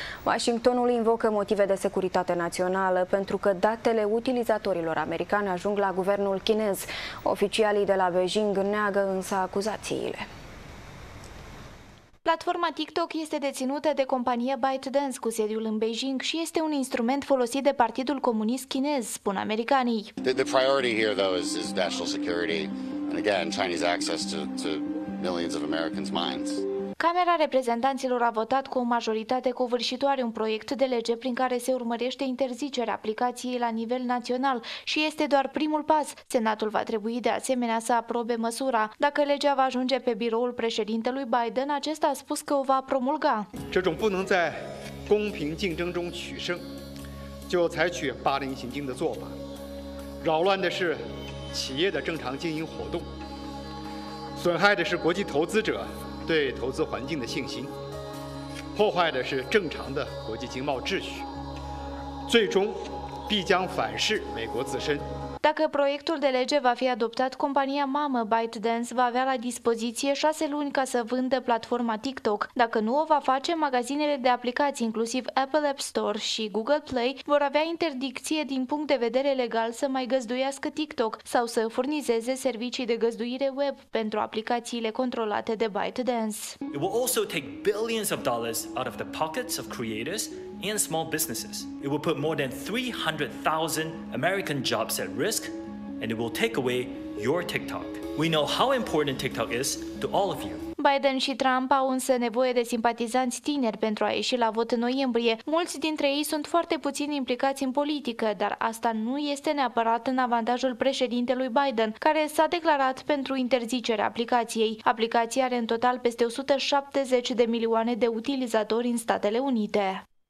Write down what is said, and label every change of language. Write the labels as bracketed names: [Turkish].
[Romanian] Washingtonul invocă motive de securitate națională pentru că datele utilizatorilor americani ajung la guvernul chinez. Oficialii de la Beijing neagă însă acuzațiile. Platforma TikTok este deținută de compania ByteDance cu sediul în Beijing și este un instrument folosit de Partidul Comunist Chinez, spun americanii. [English] The priority here though is national security and again Chinese access to millions of Americans' minds. [Romanian] Camera Reprezentanților a votat cu o majoritate covârșitoare un proiect de lege prin care se urmărește interzicerea aplicației la nivel național și este doar primul pas. Senatul va trebui de asemenea să aprobe măsura. Dacă legea va ajunge pe biroul președintelui Biden, acesta a spus că o va promulga. Acest lucru nu poate fi Dacă proiectul de lege va fi adoptat, compania mamă ByteDance va avea la dispoziție 6 luni ca să vândă platforma TikTok. Dacă nu o va face, magazinele de aplicații, inclusiv Apple App Store și Google Play, vor avea interdicție din punct de vedere legal să mai găzduiască TikTok sau să furnizeze servicii de găzduire web pentru aplicațiile controlate de ByteDance. [English] It will also take billions of dollars out of the pockets of creators and small businesses. It will put more than 300,000 American jobs at risk, and it will take away your TikTok. We know how important TikTok is to all of you. [Romanian] Biden și Trump au însă nevoie de simpatizanți tineri pentru a ieși la vot în noiembrie. Mulți dintre ei sunt foarte puțin implicați în politică, dar asta nu este neapărat în avantajul președintelui Biden, care s-a declarat pentru interzicerea aplicației. Aplicația are în total peste 170 de milioane de utilizatori în Statele Unite.